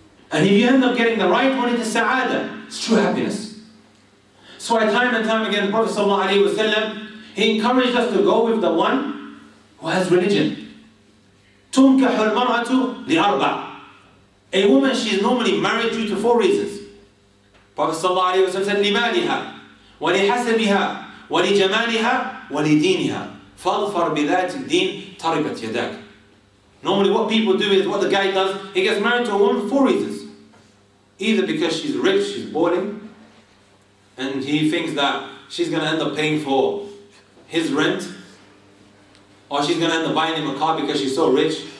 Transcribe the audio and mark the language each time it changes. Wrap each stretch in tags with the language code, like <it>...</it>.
<en>And if you end up getting the right one, it is sa'ada. It's true happiness. So I time and time again, the Prophet sallallahu alaihi wasallam, he encouraged us to go with the one who has religion.</en> <ar>تُنْكَحُ الْمَرْأَةُ لِأَرْبَعُ.</ar> <en>A woman, she is normally married due to four reasons. Prophet sallallahu alayhi wa sallam said,</en> <ar>لِمَالِهَا وَلِحَسَبِهَا وَلِجَمَالِهَا وَلِدِينِهَا فَاظْفَرْ بِذَاتِ الدِّينِ تَرِبَتْ يَدَاكَ.</ar> <en>Normally what people do is, what the guy does, he gets married to a woman for reasons. Either because she's rich, she's boring, and he thinks that she's going to end up paying for his rent, or she's going to end up buying him a car because she's so rich.</en>